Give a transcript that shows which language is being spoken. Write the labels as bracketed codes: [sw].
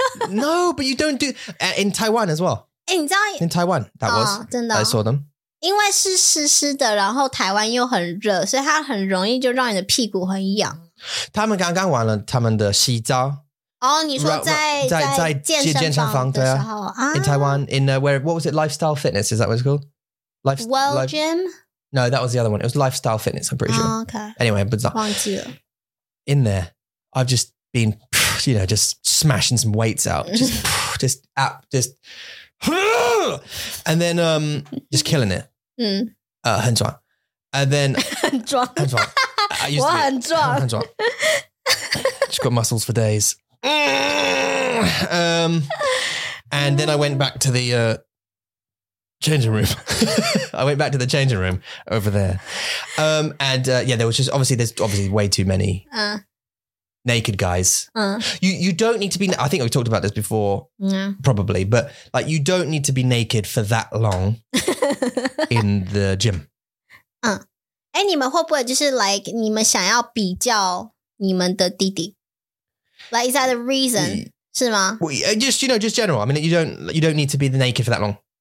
[en] No, but you don't do in Taiwan as well. [zh] 欸,你知道, [en] in Taiwan, that was. [zh] 真的哦, [en] I saw them. [zh] 因为是湿湿的, 然后台湾又很热, 所以它很容易就让你的屁股很痒。他们刚刚完了他们的洗澡。哦,你说在健身房的时候, 对啊, [en] in Taiwan, in where, what was it, Lifestyle Fitness, is that what it's called? World Gym? No, that was the other one. It was Lifestyle Fitness, I'm pretty sure. Okay. Anyway, but not. In there, I've just been, you know, just smashing some weights out. Just. And then, just killing it. Mm. [zh] 很壮. [en] And then. [zh] 很壮. 很壮. [en] I used to be, [zh] 我很壮. 很壮. [en] Just got muscles for days. And then I went back to the, changing room. I went back to the changing room over there. And there was just, obviously there's way too many naked guys. You don't need to be, I think we talked about this before, probably, but like you don't need to be naked for that long in the gym. [zh] 你们会不会就是 like 你们想要比较你们的弟弟? [en] Like is that a reason? [zh] 是吗? [en] Well, just, you know, just general. I mean, you don't need to be the naked for that long.